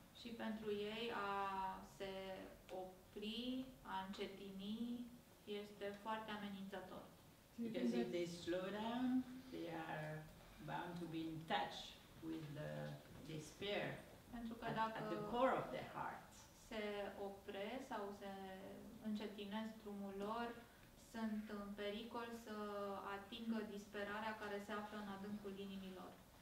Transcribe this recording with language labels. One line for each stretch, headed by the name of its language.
Romanian: Și pentru ei a se opri, a încetini, este foarte amenințător.
English: Because if they slow down, they are bound to be in touch with the despair at the core of their heart.
Romanian: Se opre sau se încetinesc drumul lor, sunt în pericol să atingă disperarea care se află în adâncul inimii lor.